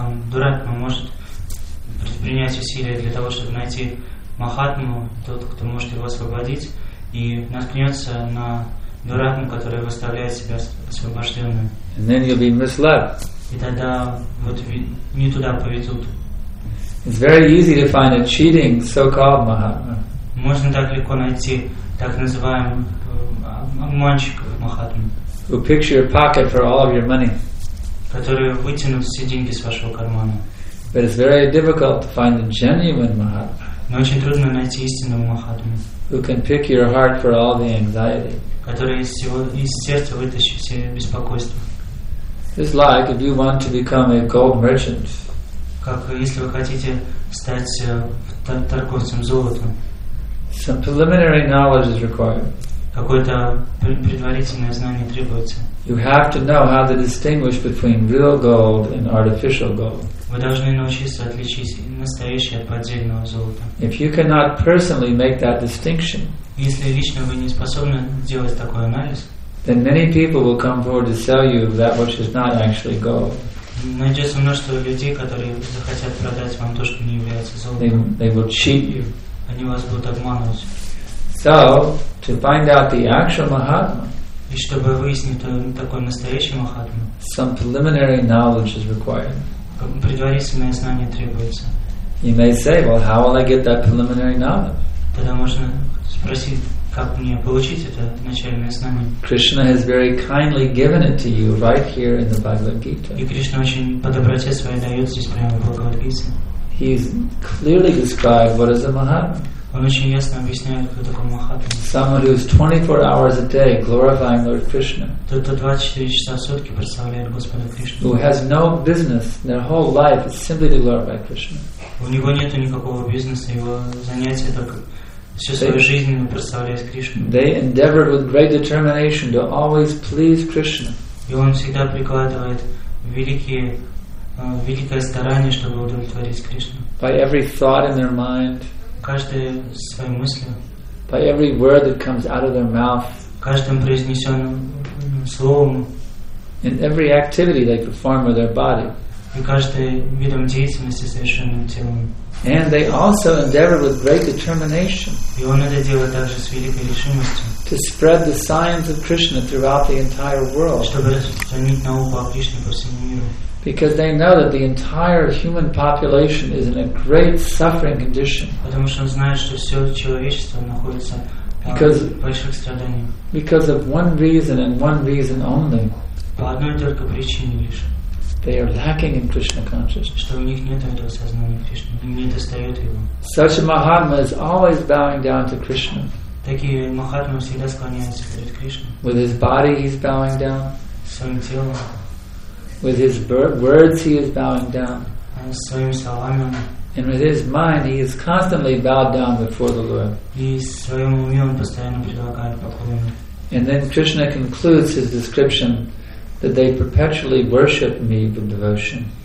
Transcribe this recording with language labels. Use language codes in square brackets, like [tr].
[ru] Dharatma может предпринять усилия для того, чтобы найти Махатму, тот, кто может его освободить, и наткнется на дурака, который выставляет себя освобожденным. [en] And then you'll be misled. [ru] И тогда вот не туда поведут. [en] It's very easy to find a cheating so-called Mahatma. [ru] Можно так легко найти так называемого обманщика Махатму. [en] Who picks your pocket for all of your money. [ru] Который вытянут все деньги с вашего кармана. [en] But it's very difficult to find a genuine Mahatma. [ru] Но очень трудно найти истинного Махатму. [en] Who can pick your heart for all the anxiety. [ru] Который из сердца вытащит все беспокойства. [en] It's like if you want to become a gold merchant. [ru] Как если вы хотите стать торговцем золотом. [en] Some preliminary knowledge is required. [ru] Какое-то предварительное знание требуется. [en] You have to know how to distinguish between real gold and artificial gold. [ru] Вы должны научиться отличить настоящее от поддельного золота. [en] If you cannot personally make that distinction, [ru] если лично вы не способны делать такой анализ, [en] then many people will come forward to sell you that which is not actually gold. [ru] Найдется множество людей, которые захотят продать вам то, что не является золотом. [en] They will cheat you. [ru] Они вас будут обманывать. [en] So, to find out the actual Mahatma, [ru] и чтобы выяснить такой настоящий Махатма, [en] some preliminary knowledge is required. [ru] Предварительное знание требуется. [en] You may say, well, how will I get that preliminary knowledge? [ru] Тогда можно спросить, как мне получить это начальное знание. [en] Krishna has very kindly given it to you right here in the Bhagavad Gita. [ru] И Кришна очень по доброте своей дает здесь прямо в Бхагавад Гите. [en] He's clearly described what is a Mahatma. [ru] Он очень ясно объясняет, кто такой Махатма. [en] Someone who is 24 hours a day glorifying Lord Krishna. [ru] Тот, кто 24 часа в сутки прославляет Господа Кришну. [en] Who has no business, their whole life is simply to glorify Krishna. [ru] У него нет никакого бизнеса, его занятие только всю свою жизнь прославлять Кришну. [en] They endeavor with great determination to always please Krishna. [ru] И он всегда прикладывает великое старание, чтобы удовлетворить Кришну. [en] By every thought in their mind. [ru] Каждая своя мысль. [en] By every word that comes out of their mouth. [ru] Каждым произнесенным словом. [en] In every activity they perform with their body. [ru] И каждым видом деятельности, совершенным телом. [en] And they also endeavor with great determination. [ru] И он это делает также с великой решимостью. [en] To spread the science of Krishna throughout the entire world. [ru] Чтобы распространить науку о Кришне по всему миру. [en] Because they know that the entire human population is in a great suffering condition. [ru] Потому что он знает, что все человечество находится в больших страданиях. [en] Because of one reason and one reason only. [ru] По одной только причине лишь. [en] They are lacking in Krishna consciousness. [ru] Что у них нет этого сознания Кришны, им не достает его. [en] Such a Mahatma is always bowing down to Krishna. [ru] Такие Махатмы всегда склоняются перед Кришной. [en] With his body, he's bowing down. [ru] Своим телом. [en] With his words, he is bowing down. [ru] своими словами. [en] And with his mind, he is constantly bowed down before the Lord. [ru] И своим умом он постоянно предлагает поклонение. [en] And then Krishna concludes his description that they perpetually worship me with devotion.